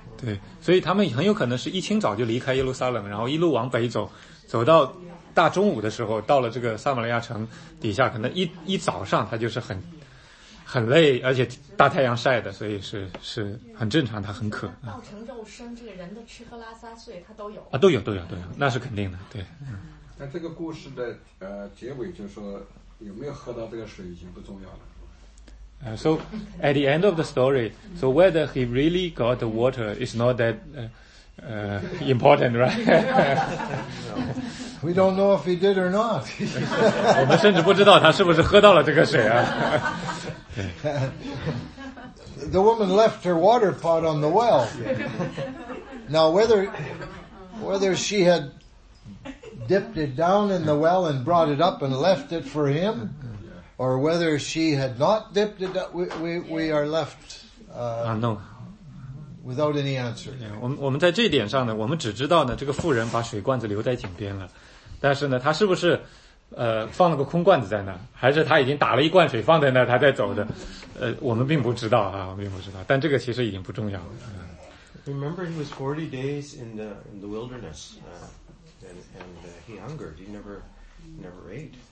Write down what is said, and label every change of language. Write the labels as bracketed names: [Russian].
[Chinese] 对，所以他们很有可能是一清早就离开耶路撒冷，然后一路往北走，走到大中午的时候到了这个撒玛利亚城底下，可能一早上他就是很累，而且大太阳晒的，所以是很正常，他很渴。稻城肉身，这个人的吃喝拉撒睡他都有啊，都有，那是肯定的。对，但这个故事的结尾就是说有没有喝到这个水已经不重要了。 [English] So at the end of the story, so whether he really got the water is not that important, right? We don't know if he did or not. [Chinese] 我们甚至不知道他是不是喝到了这个水啊。 [English] The woman left her water pot on the well. Now whether she had dipped it down in the well and brought it up and left it for him, or whether she had not dipped it up, we are left unknown. Without any answer. [Chinese] Yeah, 我们在这点上呢，我们只知道呢，这个妇人把水罐子留在井边了。但是呢，他是不是放了个空罐子在那，还是他已经打了一罐水放在那他再走的，我们并不知道啊，我们并不知道，但这个其实已经不重要了。 [English] Remember he was 40 days in the wilderness, and he hungered, he never ate.